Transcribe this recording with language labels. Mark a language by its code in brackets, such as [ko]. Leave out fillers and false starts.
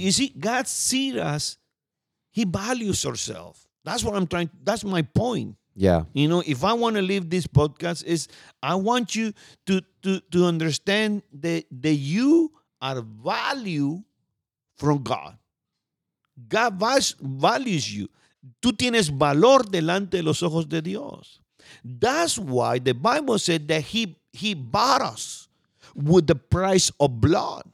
[en] You see, God sees us. He values ourselves. That's what I'm trying. That's my point. Yeah. You know, if I want to leave this podcast, is I want you to understand that you are value from God. God values you. [es] Tú tienes valor delante de los ojos de Dios. [en] That's why the Bible said that he bought us with the price of blood.